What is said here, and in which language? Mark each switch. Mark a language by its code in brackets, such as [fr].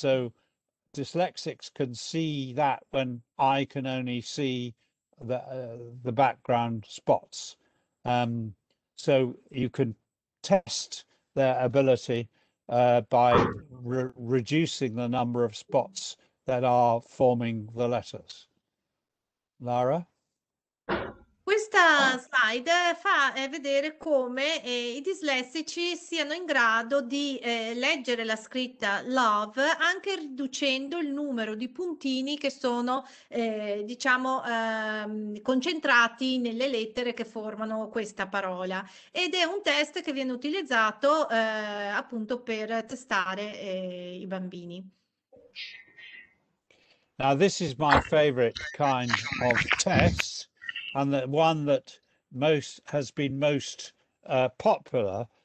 [en] So dyslexics can see that when I can only see the background spots. So you can test their ability by reducing the number of spots that are forming the letters. Lara? [it] Questa slide fa vedere come i dislessici siano in grado di leggere la scritta love anche riducendo il numero di puntini che sono concentrati nelle lettere che formano questa parola, ed è un test che viene utilizzato appunto per testare i bambini. [en] Now, this is my favorite kind of test, and the one that has been most popular